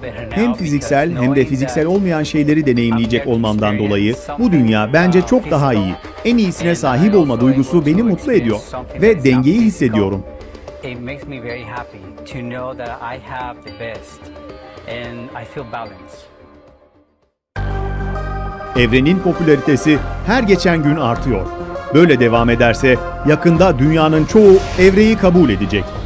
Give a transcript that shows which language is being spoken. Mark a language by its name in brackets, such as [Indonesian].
[Turkish] Hem fiziksel hem de fiziksel olmayan şeyleri deneyimleyecek olmamdan dolayı bu dünya bence çok daha iyi. En iyisine sahip olma duygusu beni mutlu ediyor ve dengeyi hissediyorum. [English] It makes me very happy to know that I have the best and I feel balanced. [Turkish] Evrenin popülaritesi her geçen gün artıyor. Böyle devam ederse yakında dünyanın çoğu evreyi kabul edecek.